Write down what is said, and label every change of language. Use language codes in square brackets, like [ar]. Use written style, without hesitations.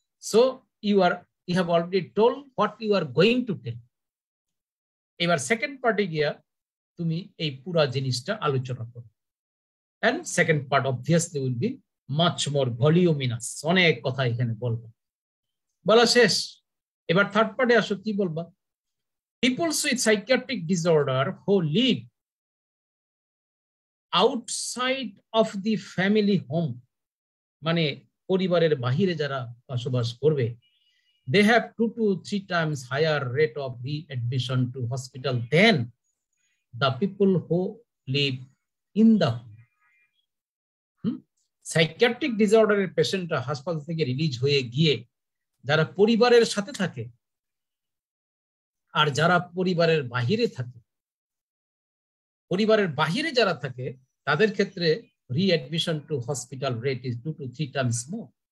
[en] so you have already told what you are going to tell, [bn] এবার second পার্টে গিয়া তুমি এই পুরো জিনিসটা আলোচনা করো। [en] and second part obviously will be much more voluminous, [bn] অনেক কথা এখানে বলবো। বলা শেষ, এবার থার্ড পার্টে আসো, কি বলবা? [en] People with psychiatric disorder who live outside of the family home, [bn] মানে পরিবারের বাহিরে যারা বসবাস করবে, [en] they have 2 to 3 times higher rate of readmission to hospital than the people who live in the home. [bn] Psychiatric disorder patient hospital থেকে release হয়ে গিয়ে যারা পরিবারের সাথে থাকে আর যারা পরিবারের বাহিরে থাকে, পরিবারের বাহিরে যারা থাকে তাদের ক্ষেত্রে [en] Readmission to hospital rate is 2 to 3 times more.